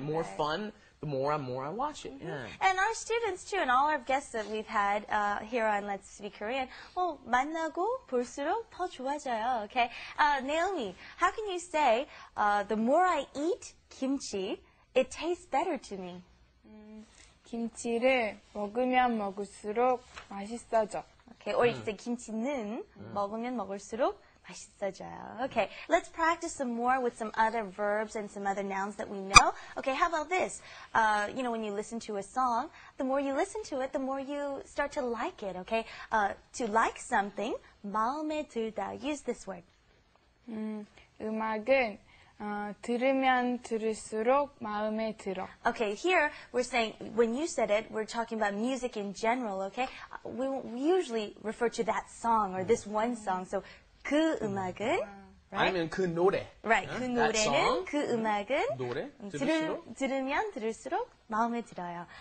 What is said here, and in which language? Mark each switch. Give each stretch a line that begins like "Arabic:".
English: More right. fun, the more I watch it. Mm-hmm. Yeah. And our students, too, and all our guests that we've had here on Let's Speak Korean, well,
Korean: 만나고 볼수록 더 좋아져요,
English: okay? Naomi, how can you say, the more I eat kimchi, it tastes better to me?
Korean: 김치를 먹으면 먹을수록 맛있어져.
English: Okay, or you can say
Korean: 김치는 먹으면 먹을수록 맛있어져요.
English: Okay, let's practice some more with some other verbs and some other nouns that we know. Okay, how about this? You know, when you listen to a song, the more you listen to it, the more you start to like it, okay? To like something,
Korean: 마음에 들다.
English: Use this word.
Korean: 음악은 들으면 들을수록 마음에 들어.
English: Okay, here we're saying, when you said it, we're talking about music in general, okay? We usually refer to that song or this one song, so
Korean: 그 음악은,
English: right?
Korean: 아니면 그 노래.
English: Right.
Korean: 그 노래는, 그 음악은, 노래? 들으면 들을수록 마음에 들어요.